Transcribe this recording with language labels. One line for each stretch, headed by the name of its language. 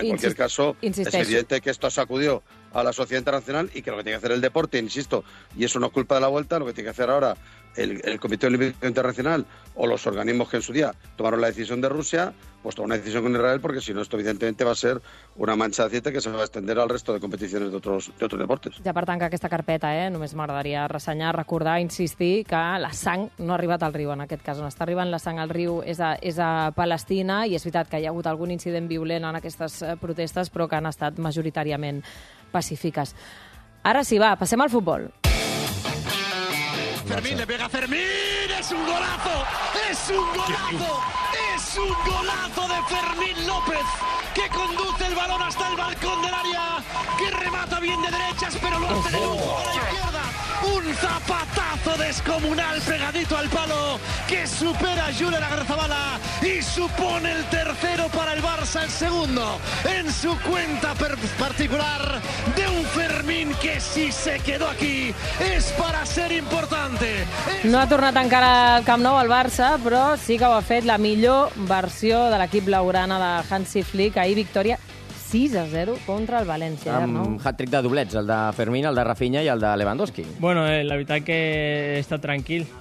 Spanish: En cualquier caso, es evidente que esto sacudió a la sociedad internacional y que lo que tiene que hacer el deporte, insisto, y eso no es culpa de la vuelta, lo que tiene que hacer ahora el Comité Olímpico Internacional o los organismos que en su día tomaron la decisión de Rusia, pues toma una decisión con Israel, porque si no, esto evidentemente va a ser una mancha de aceite que se va a extender al resto de competiciones de otros deportes.
Catalan: Ja per tancar aquesta carpeta, només m'agradaria ressenyar, recordar, insistir que la sang no ha arribat al riu en aquest cas. On està arribant la sang al riu és a Palestina, i és veritat que hi ha hagut algun incident violent en aquestes protestes, però que han estat majoritàriament pacífiques. Ara sí, va, passem al futbol.
Spanish: Fermín le pega a Fermín, es un golazo, es un golazo, es un golazo de Fermín López, que conduce el balón hasta el balcón del área, que remata bien de derechas, pero lo hace de lujo a la izquierda. Un zapatazo descomunal pegadito al palo que supera a Julen Agrazabala y supone el tercero para el Barça, el segundo en su cuenta particular de un Fermín que si se quedó aquí es para ser importante.
Catalan: No ha tornat encara al Camp Nou al Barça, però sí que ho ha fet la millor versió de l'equip blaugrana de Hansi Flick. Ahir victòria 6-0 contra el València. Amb hat-trick de doblets, el de Fermín, el de Rafinha i el de Lewandowski. Bueno, la veritat que he estat tranquil.